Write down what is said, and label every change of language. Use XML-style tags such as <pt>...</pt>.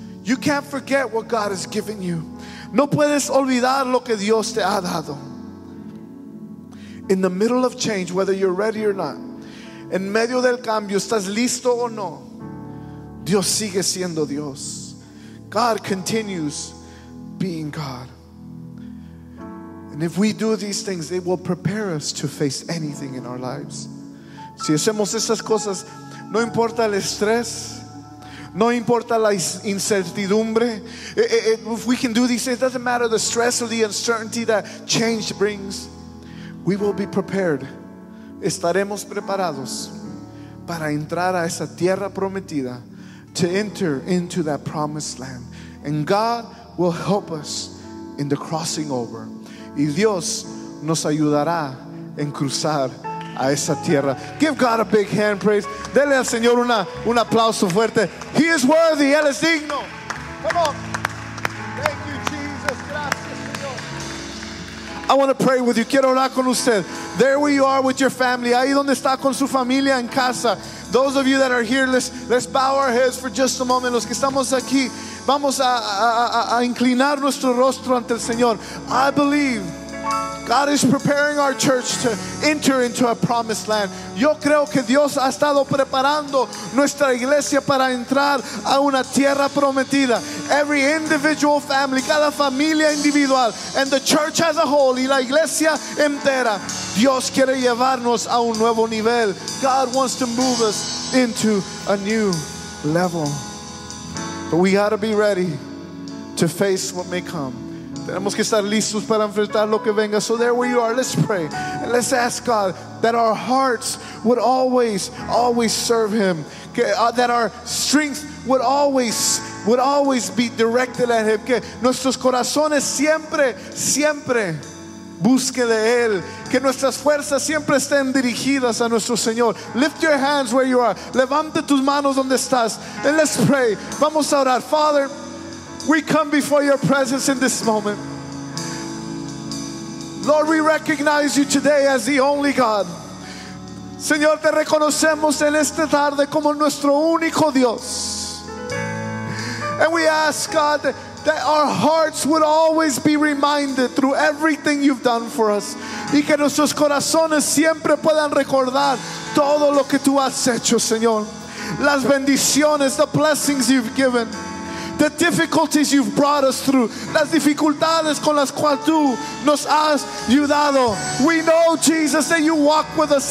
<en>You can't forget what God has given you.</en> <es>No puedes olvidar lo que Dios te ha dado.</es> <en>In the middle of change, whether you're ready or not,</en> <es>en medio del cambio, estás listo o no, Dios sigue siendo Dios.</es> <en>God continues being God. And if we do these things, they will prepare us to face anything in our lives.</en> <es>Si hacemos estas cosas, no importa el estrés, no importa la incertidumbre.</es> <en>If we can do these things, it doesn't matter the stress or the uncertainty that change brings. We will be prepared.</en> <es>Estaremos preparados para entrar a esa tierra prometida,</es> <en>to enter into that promised land. And God will help us in the crossing over.</en> <es>Y Dios nos ayudará en cruzar a esa tierra.</es> <en>Give God a big hand praise.</en> <es>Dele al Señor un aplauso fuerte.</es> <en>He is worthy.</en> <es>Él es digno.</es> <en>Come on. Thank you, Jesus.</en> <es>Gracias, Señor.</es> <en>I want to pray with you.</en> <es>Quiero orar con usted.</es> <en>There where you are with your family.</en> <es>Ahí donde está con su familia en casa.</es> <en>Those of you that are here, let's bow our heads for just a moment.</en> <es>Los que estamos aquí, vamos a inclinar nuestro rostro ante el Señor.</es> <en>I believe God is preparing our church to enter into a promised land.</en> <es>Yo creo que Dios ha estado preparando nuestra iglesia para entrar a una tierra prometida.</es> <en>Every individual family,</en> <es>cada familia individual,</es> <en>and the church as a whole,</en> <es>y la iglesia entera, Dios quiere llevarnos a un nuevo nivel.</es> <en>God wants to move us into a new level. But we got to be ready to face what may come.</en> <es>Tenemos que estar listos para enfrentar lo que venga.</es> <en>So there where you are, let's pray. And let's ask God that our hearts would always, always serve Him. That our strength would always be directed at Him.</en> <es>Que nuestros corazones siempre, siempre busque de Él. Que nuestras fuerzas siempre estén dirigidas a nuestro Señor.</es> <en>Lift your hands where you are.</en> <es>Levante tus manos donde estás.</es> <en>And let's pray.</en> <es>Vamos a orar.</es> <en>Father, we come before your presence in this moment. Lord, we recognize you today as the only God.</en> <es>Señor, te reconocemos en esta tarde como nuestro único Dios.</es> <en>And we ask God that our hearts would always be reminded through everything you've done for us.</en> <es>Y que nuestros corazones siempre puedan recordar todo lo que tú has hecho, Señor. Las bendiciones,</es> <en>the blessings you've given. The difficulties you've brought us through.</en> <es>Las dificultades con las cuales tú nos has ayudado.</es> <en>We know, Jesus, that you walk with us.</en>